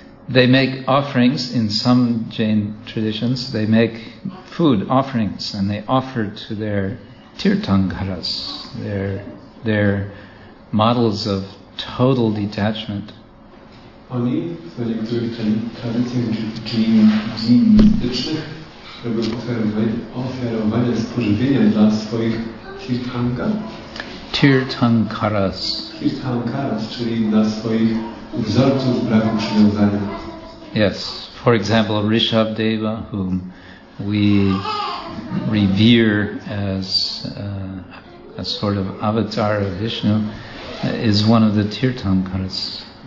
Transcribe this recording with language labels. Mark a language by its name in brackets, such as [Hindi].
[English] They make offerings in some Jain traditions. They make food offerings and they offer to their Tirthankaras, their models of total detachment. [Polish] Oni, w niektórych tradycjach Jain mistycznych, robią ofiarowanie spożywienia dla swoich Tirthankar. [English] Tirthankaras. [Polish] Tirthankaras, czyli dla swoich wzorców braku przywiązania. [English] Yes, for example, Rishabdeva, whom we revere as a sort of avatar of Vishnu, is one of the Tirthankaras.